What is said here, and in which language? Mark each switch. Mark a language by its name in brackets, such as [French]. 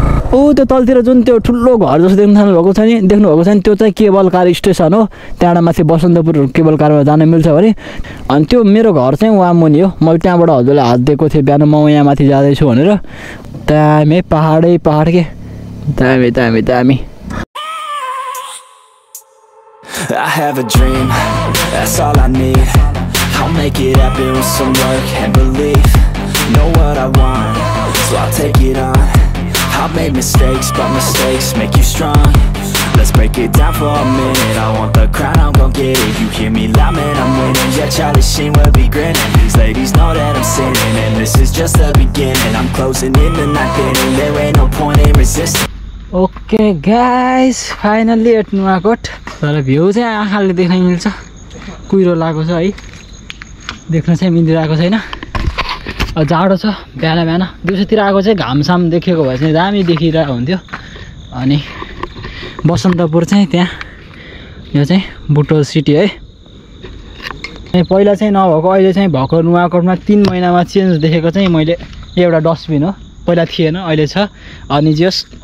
[Nepali] ऊ त्यो तलतिर जुन त्यो ठुलो घर जस्तो देख्नु भएको छ नि, देख्नु भएको छ नि, त्यो चाहिँ केबल कार स्टेसन हो, त्यहाँबाट माथि बसन्तपुर केबल कारमा जान मिल्छ भने। अनि त्यो मेरो घर चाहिँ वहाँ मुनि हो, मैले त्यहाँबाट हजुरलाई हात दिएको थिएँ बिहान म यहाँ माथि जाँदैछु भनेर, दामी पाहाडै पाहाड के, दामी दामी दामी। [English] I have a dream, that's all I need. I'll make it happen with some work and belief. Know what I want, so I'll take it on. I've made mistakes, but mistakes make you strong. Let's break it down for a minute. I want the crown, I'm gon' get it. You hear me loud, man, I'm winning. Yeah, Charlie Sheen will be grinning. These ladies know that I'm sinning, and this is just the beginning. I'm closing in the night inning. There ain't no point in resisting. Okay guys, finally at Nuwakot. [Nepali] तर view चाहिँ आँखाले देख्न मिल्छ, कुहिरो लागेको छ है, देख्न चाहिँ मिलिरहेको छैन, जाडो छ बेला बेला दिउँसोतिर आएको चाहिँ घामसाम देखेको भए चाहिँ दामी देखिरहेको हुन्थ्यो अनि बसन्तपुर चाहिँ त्यहाँ यो चाहिँ बुटवल सिटी है अनि पहिला चाहिँ नभएको अहिले चाहिँ भएको नुवाकोटमा तिन महिनामा चेन्ज देखेको चाहिँ मैले एउटा डस्टबिन हो पहिला थिएन अहिले छ अनि जस